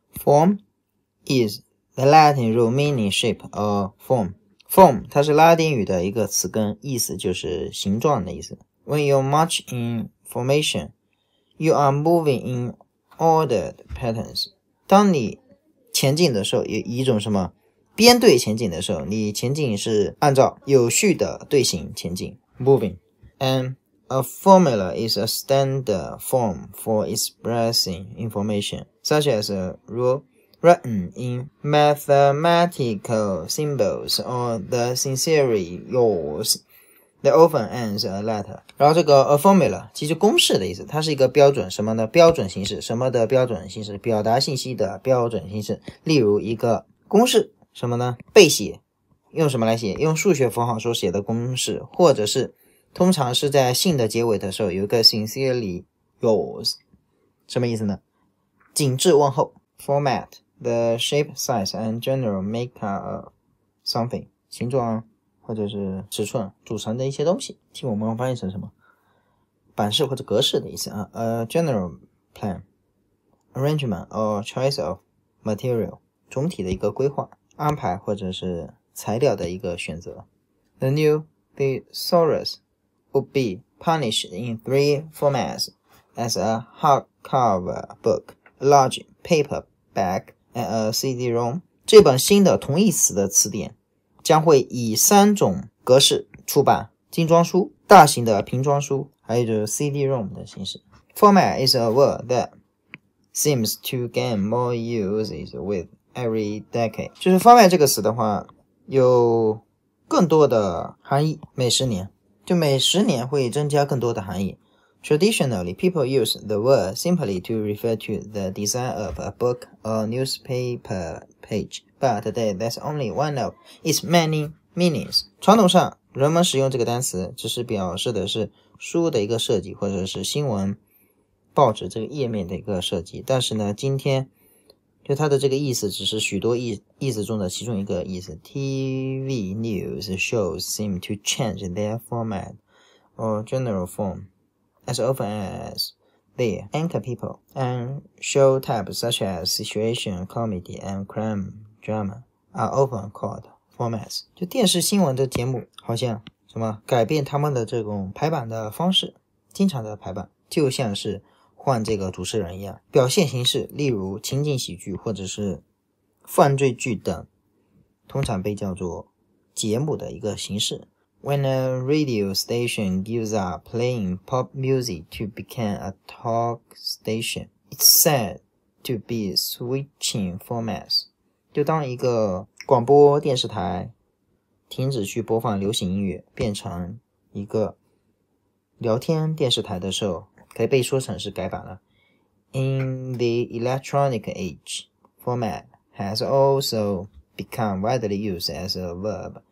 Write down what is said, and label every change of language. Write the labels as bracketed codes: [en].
[en] Form is the Latin root meaning shape of form. [zh] Form 它是拉丁语的一个词根，意思就是形状的意思。 [en] When you march in formation, you are moving in ordered patterns. [zh] 当你前进的时候，有一种什么编队前进的时候，你前进是按照有序的队形前进 [en] moving. And a formula is a standard form for expressing information, such as a rule written in mathematical symbols or the sincerely yours that often ends a letter. [zh] 然后这个 a formula 其实公式的意思，它是一个标准，什么呢？标准形式，什么的标准形式？表达信息的标准形式。例如一个公式，什么呢？背写，用什么来写？用数学符号所写的公式，或者是通常是在信的结尾的时候有一个 [en] sincerely yours， [zh] 什么意思呢？谨致问候。 [en] Format, the shape, size, and general makeup of something, [zh] 形状或者是尺寸组成的一些东西，替我们翻译成什么？版式或者格式的意思啊。 [en] A general plan, arrangement or choice of material, [zh] 总体的一个规划。安排或者是材料的一个选择。 [en] The new thesaurus would be published in three formats as a hardcover book, a large paperback, and a CD-ROM. [zh] 这本新的同义词的词典将会以三种格式出版，精装书、大型的平装书，还有就是 CD-ROM 的形式。 [en] Format is a word that seems to gain more uses withEvery decade， [zh] 就是 format 这个词的话有更多的含义， [en] 每十年，就每十年会增加更多的含义。 Traditionally, people use the word simply to refer to the design of a book or newspaper page, but today that's only one of its many meanings. [zh] 传统上人们使用这个单词只是表示的是书的一个设计，或者是新闻报纸这个页面的一个设计，但是呢今天就它的这个意思只是许多意思中的其中一个意思。 [en] TV news shows seem to change their format or general form as often as they anchor people and show types such as situation, comedy, and crime drama are often called formats. [zh] 就电视新闻的节目好像什么改变他们的这种排版的方式，经常的排版，就像是换这个主持人一样，表现形式，例如情景喜剧或者是犯罪剧等，通常被叫做节目的一个形式。 [en] When a radio station gives up playing pop music to become a talk station, it's said to be switching formats. [zh] 就当一个广播电视台停止去播放流行音乐，变成一个聊天电视台的时候，可以被说成是改版了。 [en] In the electronic age, format has also become widely used as a verb.